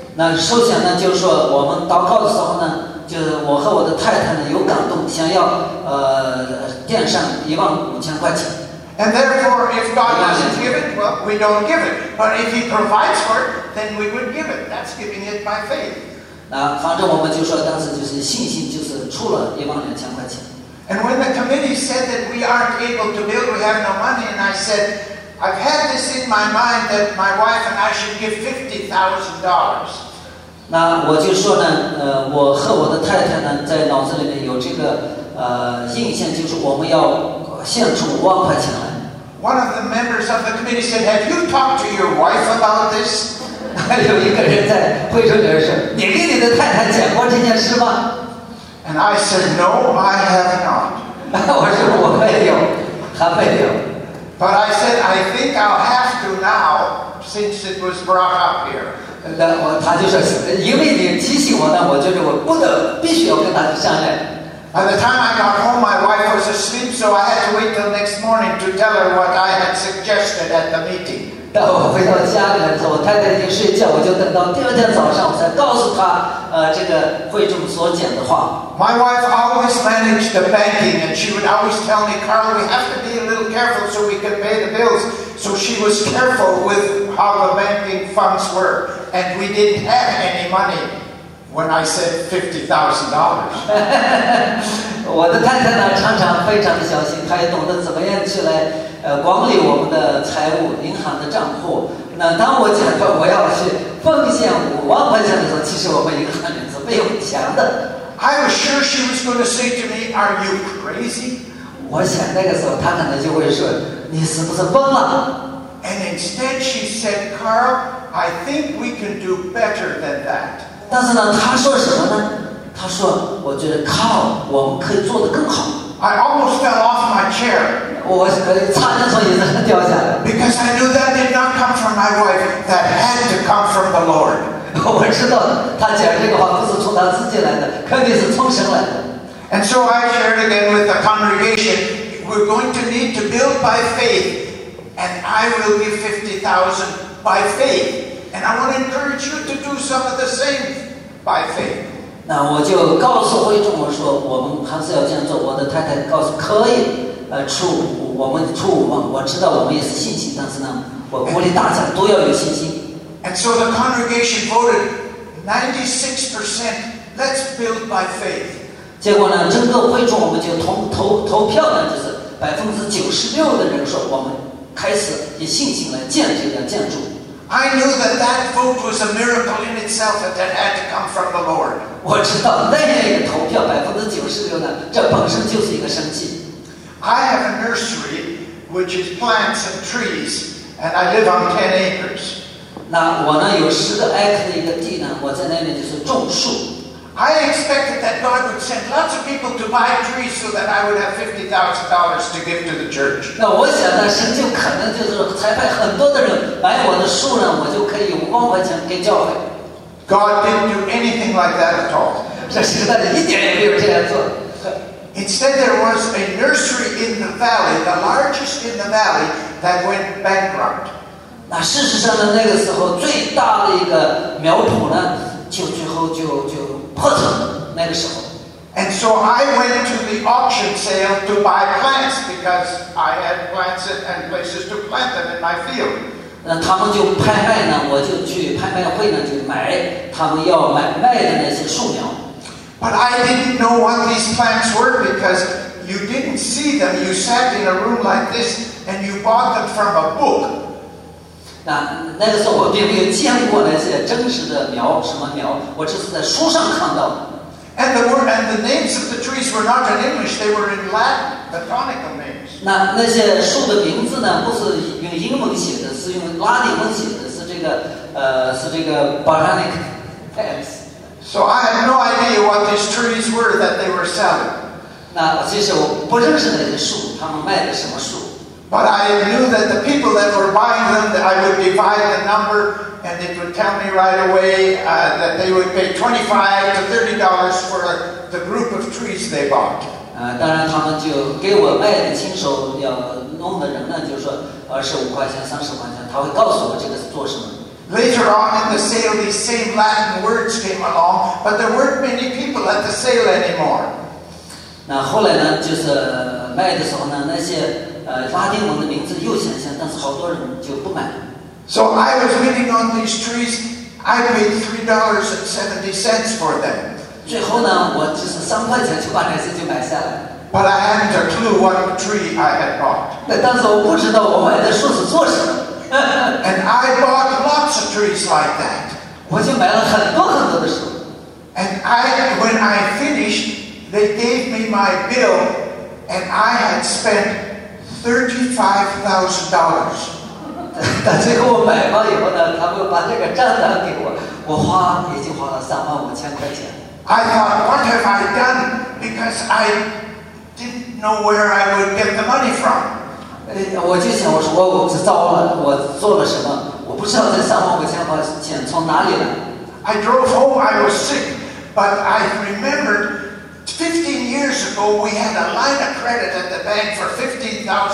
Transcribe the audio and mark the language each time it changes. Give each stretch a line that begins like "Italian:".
Chinese: 那首先呢，就是说我们祷告的时候呢。就是我和我的太太呢有感动，想要垫上15,000块钱。
English: And therefore, if God doesn't give it, well, we don't give it. But if He provides for it, then we would give it. That's giving it by faith.
Chinese: 那反正我们就说当时就是信心，就是出了12,000块钱。
English: And when the committee said that we aren't able to build, we have no money, and I said, I've had this in my mind that my wife and I should give $50,000.
Chinese: 那我就说呢，我和我的太太呢，在脑子里面有这个印象，就是我们要献出5,000块钱来。
English: One of the members of the committee said, "Have you talked to your wife about this?"
Chinese: 有一个人在会中就说，你跟你的太太讲过这件事吗
English: ？And I said, "No, I have not."
Chinese: 我说我没有，还没有。
English: But I said, "I think I'll have to now, since it was brought up here."
Chinese: 他就说因为你提醒我呢，我就是我不得必须要跟他商量。
English: By the time I got home, my wife was asleep, so I had to wait till next morning to tell her what I had suggested at the meeting.
Chinese: 当我回到家里的时候，我太太已经睡觉，我就等到第二天早上，我才告诉她这个会众所讲的话。
English: My wife always managed the banking, and she would always tell me, "Carl, we have to be a little careful so we can pay the bills." So she was careful with how the banking funds were, and we didn't have any money. When I said $50,000,
Chinese: 我的太太呢，常常非常的小心，她也懂得怎么样去来管理我们的财务、银行的账户。那当我讲到我要去奉献50,000块钱的时候，其实我们银行里是没有钱的。
English: I was sure she was going to say to me, "Are you crazy?"
Chinese: 我想那个时候她可能就会说，你是不是疯了
English: ？And instead, she said, "Carl, I think we can do better than that."
Chinese: 但是呢，她说什么呢？她说，我觉得 Carl, 我们可以做得更好。
English: I almost fell off my chair.
Chinese: 我差点从椅子上掉下来。
English: Because I knew that did not come from my wife; that had to come from the Lord.
Chinese: 我知道的，她讲这个话不是从她自己来的，肯定是从神来的。
English: And so I shared again with the congregation. We're going to need to build by faith, and I will give $50,000 by faith. And I want to encourage you to do some of the same by faith.
Chinese: 那我就告诉会众，我说我们还是要这样做。我的太太告诉可以，我们出5万。我知道我们也是信心，但是呢，我鼓励大家都要有信心。
English: And so the congregation voted 96%. Let's build by faith.
Chinese: 结果呢，整个会众我们就投票呢，就是96%的人说我们开始以信心来建这个建筑。
English: I knew that that vote was a miracle in itself, and that had to come from the Lord.
Chinese: 我知道那样一个投票96%呢，这本身就是一个神迹。
English: I have a nursery which is plants and trees, and I live on 10 acres.
Chinese: 那我呢有10个 acre 的一个地呢，我在那里就是种树。
English: I expected that God would send lots of people to buy trees so that I would have $50,000 to give to the church.
Chinese: 那我想呢，神就可能就是裁派很多的人买我的树呢，我就可以5万块钱给教会。
English: God didn't do anything like that at all.
Chinese: 这实在是一点也没有这样做。
English: Instead, there was a nursery in the valley, the largest in the valley, that went bankrupt.
Chinese: 那事实上呢，那个时候最大的一个苗圃呢，就最后就破产了。那个时候。
English: And so I went to the auction sale to buy plants because I had plants and places to plant them in my field.
Chinese: 那他们就拍卖呢，我就去拍卖会呢，就买他们要卖的那些树苗。
English: But I didn't know what these plants were because you didn't see them. You sat in a room like this and you bought them from a book.
Chinese: 那个时候我并没有见过那些真实的苗，什么苗，我只是在书上看到。
English: And the names of the trees were not in English, they were in Latin, the botanical names.
Chinese: 那些树的名字呢，不是用英文写的，是用拉丁文写的，是这个
English: botanic names。 So I had no idea what these trees were that they were selling.
Chinese: 那其实我不认识那些树，他们卖的什么树。
English: But I knew that the people that were buying them, that I would divide the number, and they would tell me right away that they would pay $25 to $30 for the group of trees they bought.
Chinese: 当然他们就给我卖的亲手要弄的人呢，就是说25块钱、30块钱，他会告诉我这个是做什么。
English: Later on in the sale, these same Latin words came along, but there weren't many people at the sale anymore.
Chinese: 那后来呢，就是卖的时候呢，那些拉丁文的名字又显现，但是好多人就不买。
English: So I was bidding on these trees. I paid $3.70 for them.
Chinese: 最后呢，我就是3块钱就把那些就买下来。
English: But I hadn't a clue what tree I had bought.
Chinese: 那但是我不知道我买的树是做什么。
English: And I bought lots of trees like that.
Chinese: 我就买了很多很多的树。
English: And when I finished, they gave me my bill, and I had spent $35,000.
Chinese: 但最后我买完以后呢，他们把这个账单给我，我花已经花了35,000块钱。
English: I thought, what have I done? Because I didn't know where I would get the money from.
Chinese: 我就想，我说我糟了，我做了什么？我不知道这35,000块钱从哪里来。
English: I drove home. I was sick, but I remembered 15 years ago we had a line of credit at the bank for $15,000.